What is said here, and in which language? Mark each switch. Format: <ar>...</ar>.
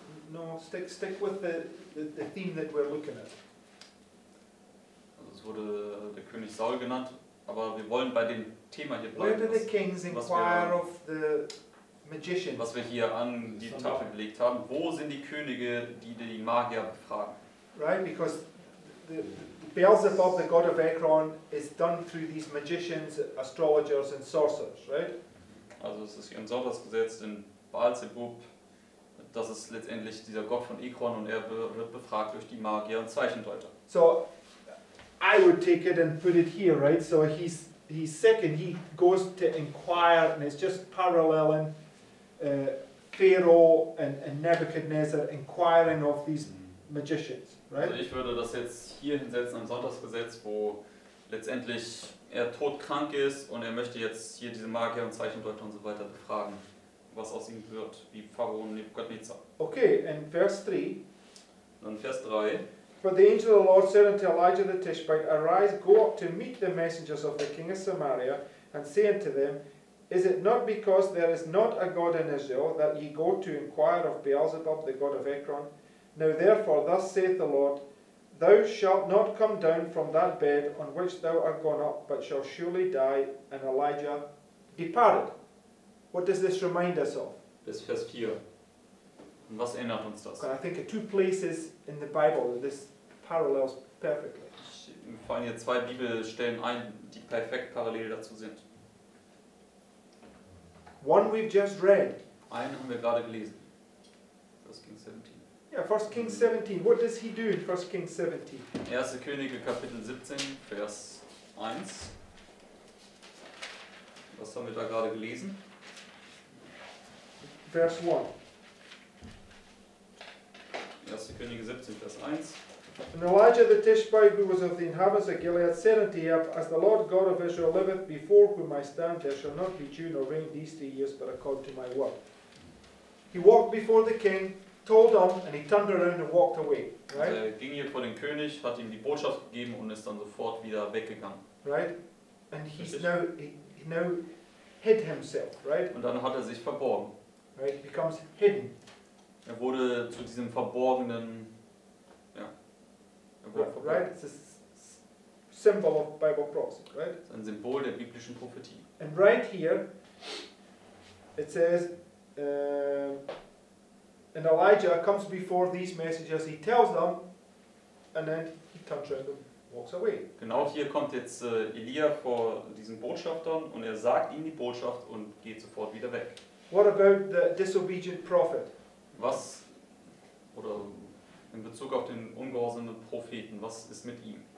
<en>No, stick with the theme that we're looking at.</en> <de>Also es wurde der König Saul genannt, aber wir wollen bei dem Thema hier bleiben.</de> <en>Where do the kings inquire of the magicians?</en> <de>Was wir hier an die Tafel gelegt haben. Wo sind die Könige, die Magier befragen?</de> <en>Right, because the Beelzebub, the god of Ekron, is done through these magicians, astrologers and sorcerers, right?</en> <de>Also es ist ein Sonntagsgesetz, in Beelzebub, das ist letztendlich dieser Gott von Ekron und er wird befragt durch die Magier und Zeichendeuter.</de> <en>So, I would take it and put it here, right? So he's sick and he goes to inquire and it's just paralleling Pharaoh and Nebuchadnezzar inquiring of these magicians.</en> <de>Also ich würde das jetzt hier hinsetzen, ein Sonntagsgesetz, wo letztendlich er todkrank ist und er möchte jetzt hier diese Magier und Zeichendeuter und so weiter befragen, was aus ihm wird, wie Pharaon Nebuchadnezzar. Okay, in Vers 3. Dann Vers 3.</de> <en>For the angel of the Lord said unto Elijah the Tishbite, arise, go up to meet the messengers of the king of Samaria, and say unto them, is it not because there is not a god in Israel, that ye go to inquire of Beelzebub, the god of Ekron? Now therefore, thus saith the Lord, thou shalt not come down from that bed on which thou art gone up, but shall surely die, and Elijah departed. What does this remind us of?</en> <de>Bis Vers 4. Und was erinnert uns das?</de> <en>I think of two places in the Bible that this parallels perfectly.</en> <de>Ich fallen hier zwei Bibelstellen ein, die perfekt parallel dazu sind.</de> <en>One we've just read.</en> <de>Einen haben wir gerade gelesen. Vers 17.</de> <en>Yeah, 1 Kings 17. What does he do in 1 Kings 17?</en> <de>1. Könige Kapitel 17, Vers 1. Was haben wir da gerade gelesen? Vers 1. 1. Könige 17, Vers 1.</de> <en>And Elijah the Tishbite, who was of the inhabitants of Gilead, said unto Ahab, as the Lord God of Israel liveth, before whom I stand, there shall not be dew nor rain these 3 years, but according to my word. He walked before the king, told him, and he turned around and walked away. Right?</en> <de>Also er ging hier vor den König, hat ihm die Botschaft gegeben und ist dann sofort wieder weggegangen.</de> <en>Right? And he's now hid himself, right?</en> <de>Und dann hat er sich verborgen.</de> <en>Right? He becomes hidden.</en> <de>Er wurde zu diesem verborgenen, ja. Er wurde verborgen.</de> <en>Right, it's a symbol of Bible prophecy, right?</en> <de>Ein Symbol der biblischen Prophetie.</de> <en>And right here, it says, and Elijah comes before these messengers, he tells them, and then he turns around and walks away.</en> <de>Genau hier kommt jetzt Elia vor diesen Botschaftern und er sagt ihnen die Botschaft und geht sofort wieder weg.</de> <en>What about the disobedient prophet?</en> <de>Was, oder in Bezug auf den ungehorsamen Propheten, was ist mit ihm?</de>